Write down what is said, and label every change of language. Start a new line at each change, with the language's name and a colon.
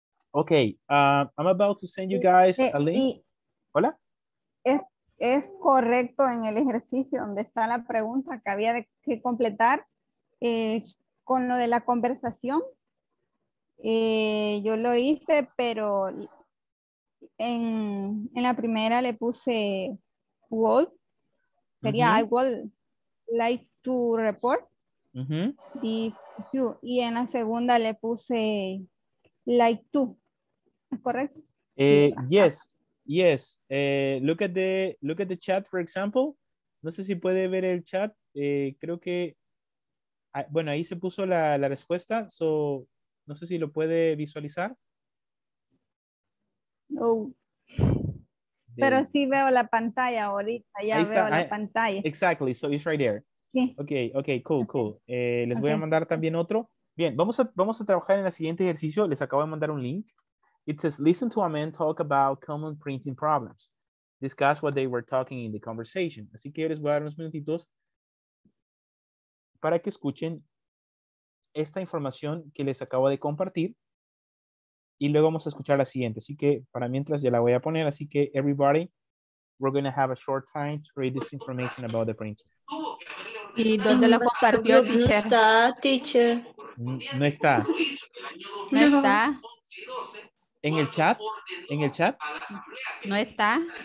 English: Ok, I'm about to send you guys a link.
Spanish: ¿Hola? Es correcto en el ejercicio donde está la pregunta que había que completar con lo de la conversación. Yo lo hice, pero en la primera le puse would. Sería
English: I would like to report.
Spanish: Y en la segunda le puse
English: like to.
Spanish: ¿Es correcto?
English: Yes. Look at the chat, for example.
Spanish: No sé si puede ver el chat. Creo que, bueno, ahí se puso la respuesta. So, no sé si lo puede visualizar. No. Pero sí veo la pantalla ahorita. Ya ahí veo está. La pantalla.
English: Exactly. So it's right there.
Spanish: Sí.
English: Okay, cool.
Spanish: Les voy a mandar también otro. Bien, vamos a trabajar en el siguiente ejercicio. Les acabo de mandar un link.
English: It says, listen to a man talk about common printing problems. Discuss what they were talking in the conversation.
Spanish: Así que les voy a dar unos minutitos para que escuchen esta información que les acabo de compartir. Y luego vamos a escuchar la siguiente. Así que para mientras ya la voy a poner. Así que
English: everybody, we're going to have a short time to read this information about the printing.
Spanish: ¿Y dónde lo compartió, teacher? No está, teacher. No está. No está. ¿En el chat? ¿En el chat? No está.